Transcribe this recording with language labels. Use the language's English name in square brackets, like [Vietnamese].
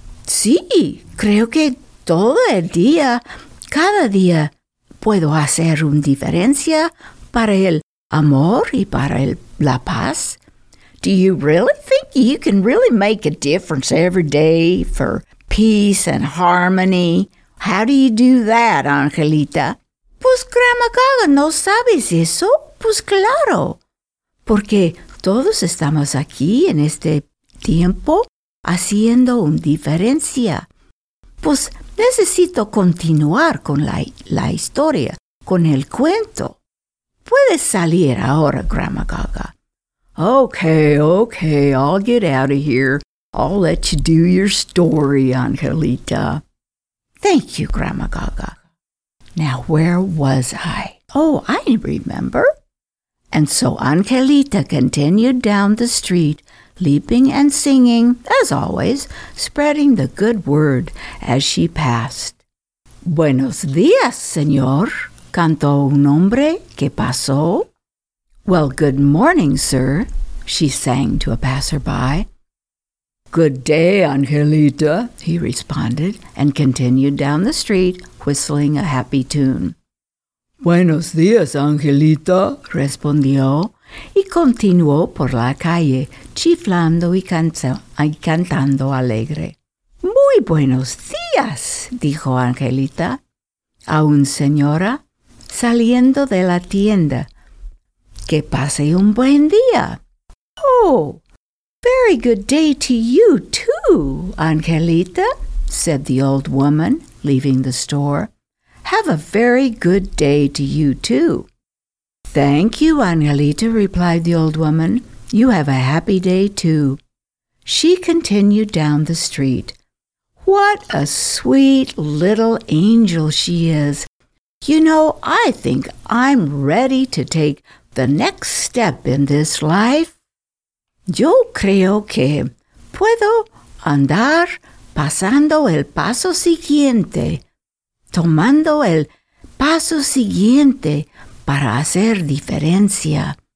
[Spanish] Sí, creo que todo el día, cada día, puedo hacer una diferencia para el amor y para la paz. [English] Do you really think you can really make a difference every day for peace and harmony? How do you do that, Angelita? [Spanish] Pues, Grandma Gaga, ¿no sabes eso? Pues, claro. Porque todos estamos aquí en este tiempo haciendo una diferencia. Pues, necesito continuar con la historia, con el cuento. Puedes salir ahora, Grandma Gaga. [English] Okay, I'll get out of here. I'll let you do your story, Angelita. Thank you, Grandma Gaga. Now, where was I? Oh, I remember. And so Angelita continued down the street, leaping and singing, as always, spreading the good word as she passed. [Spanish] Buenos días, señor, cantó un hombre que pasó. [English] Well, good morning, sir, she sang to a passerby. Good day, Angelita, he responded, and continued down the street, whistling a happy tune. [Spanish] Buenos días, Angelita, respondió, y continuó por la calle, chiflando y cantando alegre. Muy buenos días, dijo Angelita, a un señora saliendo de la tienda. Que pase un buen día. [English] Oh, very good day to you too, Angelita, said the old woman, leaving the store. Have a very good day to you too. Thank you, Angelita, replied the old woman. You have a happy day too. She continued down the street. What a sweet little angel she is. You know, I think I'm ready to take the next step in this life. [Spanish] Yo creo que puedo andar pasando el paso siguiente, tomando el paso siguiente para hacer diferencia.